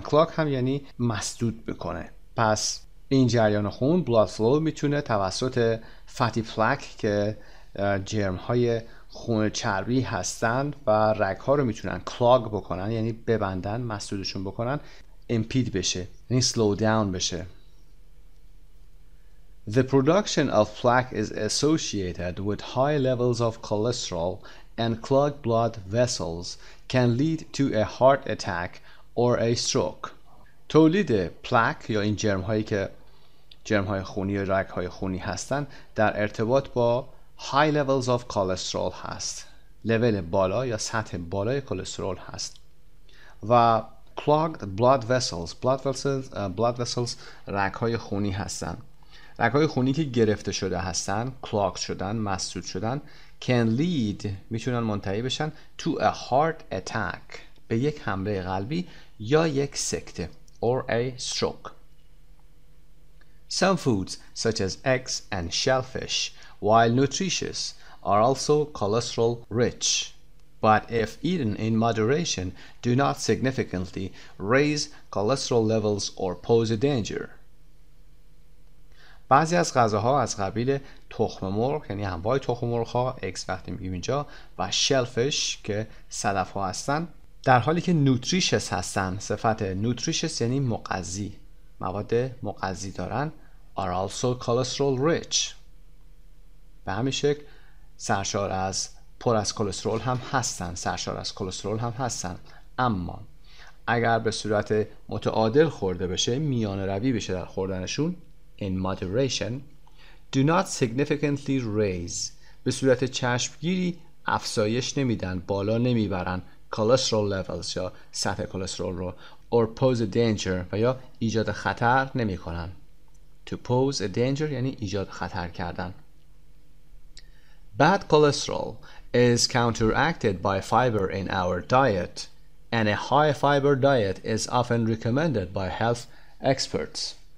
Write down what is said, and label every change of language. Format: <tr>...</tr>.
<fa>clog هم یعنی مسدود بکنه. پس این جریان خون</fa> <en>blood flow</en> <fa>میتونه توسط</fa> <en>fatty plaque</en> <fa>که جرمهای خون چربی هستن و رگها رو میتونن clog بکنن، یعنی ببندن، مسدودشون بکنن، impede بشه، یعنی</fa> <en>slow down</en> <fa>بشه.</fa> <en>The production of plaque is associated with high levels of cholesterol and clogged blood vessels can lead to a heart attack or a stroke.</en> <fa>تولید پلاک یا این جرم‌هایی که جرم‌های خونی یا رگ‌های خونی هستن در ارتباط با</fa> <en>high levels of cholesterol</en> <fa>هست. لول بالا یا سطح بالای کلسترول هست. و</fa> <en>clogged blood vessels</en> <fa>رگ‌های خونی هستن. رگ‌های خونی که گرفته شده هستن، clogged شدن، مسدود شدن،</fa> <en>can lead</en> <fa>میتونن منتهی بشن</fa> <en>to a heart attack،</en> <fa>به یک حمله قلبی یا یک سکته،</fa> <en>or a stroke. Some foods such as eggs and shellfish, while nutritious, are also cholesterol rich, but if eaten in moderation, do not significantly raise cholesterol levels or pose a danger.</en> <fa>بعضی از غذاها از قبیل تخم مرغ، یعنی انواع تخم مرغ‌ها، اکس وقتی میگیم اینجا، و شلفش که صدف‌ها هستن، در حالی که نوتریشس هستن، صفت نوتریشس یعنی مغذی، مواد مغذی دارن،</fa> <en>are also cholesterol rich،</en> <fa>به همین شکل سرشار از پر از کلسترول هم هستن، سرشار از کلسترول هم هستن. اما اگر به صورت متعادل خورده بشه، میانه روی بشه در خوردنشون،</fa> <en>in moderation, do not significantly raise،</en> <fa>به صورت چشمگیری افزایش نمیدن، بالا نمیبرن</fa> <en>cholesterol levels</en> <fa>یا سطح کلسترول رو،</fa> <en>or pose a danger</en> <fa>و یا ایجاد خطر نمی کنن.</fa> <en>To pose a danger</en> <fa>یعنی ایجاد خطر کردن.</fa> <en>Bad cholesterol is counteracted by fiber in our diet, and a high fiber diet is often recommended by health experts.</en>